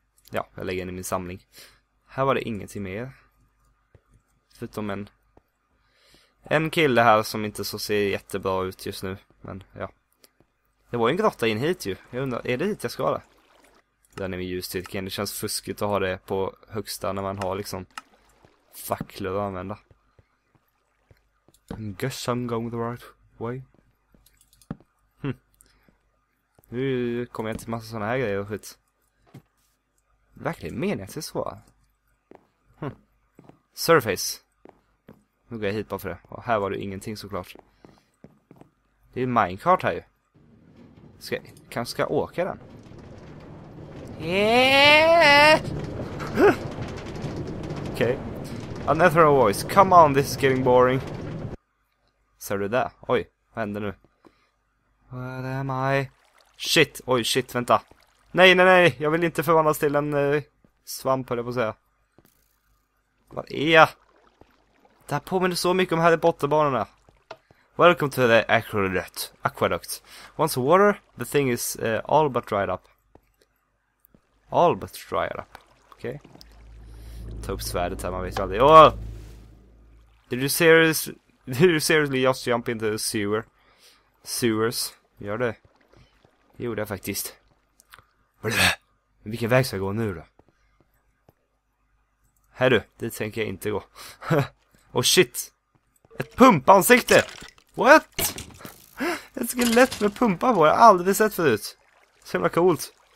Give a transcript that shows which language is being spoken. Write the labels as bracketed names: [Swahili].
[Swedish] ja, jag lägger in i min samling. Här var det ingenting mer. Förutom en kille här som inte så ser jättebra ut just nu. Men ja. Det var ju en grotta in hit ju. Jag undrar, är det hit jag ska ha det? Den är med ljusstyrkan. Det känns fuskigt att ha det på högsta när man har liksom facklor att använda. [English] I guess I'm going the right way. [Swedish] Nu kommer jag till massa såna här grejer och skit. Verkligen menar jag till så. Surface. Nu går jag hit bara för det. Och här var det ingenting såklart. Det är en minecart här ju. Kanske ska åka den. Okej. [English] Okay. Another voice. Come on, this is getting boring. [Swedish] Ser du där? Oj, vad händer nu? [English] Where am I? [Swedish] Shit, oj shit, vänta. Nej, jag vill inte förvandlas till en Svamp höll jag på att säga. Vad är jag? Det här påminner så mycket om Harry Potter-banorna. [English] Welcome to the aqueduct. Aqueduct. Once water, the thing is all but dried up. All but dried up. Okej. Okay. [Swedish] Ta upp svärdet här, man vet ju aldrig. Oh! [English] Did you seriously just jump into the sewer? [Swedish] Sewers. Gör det. Det gjorde jag faktiskt. Men vilken väg ska jag gå nu då? Här du, det tänker jag inte gå. [English] Oh shit! [Swedish] Ett pumpansikte! [English] What? [Swedish] Ett skelett med pumpa på, jag har aldrig sett förut. Så jävla coolt.